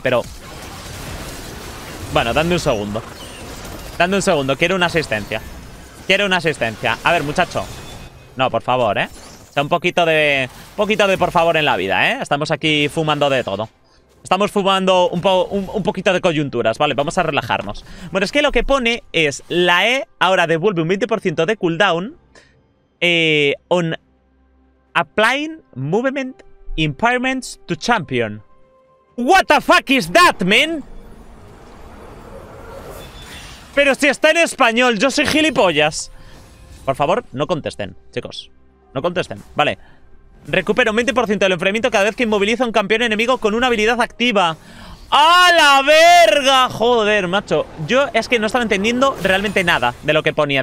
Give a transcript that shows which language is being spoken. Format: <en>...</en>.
<es>Pero... Bueno, dame un segundo. Dame un segundo. Quiero una asistencia. Quiero una asistencia. A ver, muchacho. No, por favor, ¿eh? O sea, un poquito de... Un poquito de por favor en la vida, ¿eh? Estamos aquí fumando de todo. Estamos fumando un poquito de coyunturas, ¿vale? Vamos a relajarnos. Bueno, es que lo que pone es... La E ahora devuelve un 20% de cooldown...</es> <en>on applying movement impairments to champion. What the fuck is that, man?</en> <es>Pero si está en español, yo soy gilipollas. Por favor, no contesten, chicos. No contesten. Vale. Recupero un 20% del enfrentamiento cada vez que inmoviliza a un campeón enemigo con una habilidad activa. ¡A la verga! Joder, macho. Yo es que no estaba entendiendo realmente nada de lo que ponía.</es>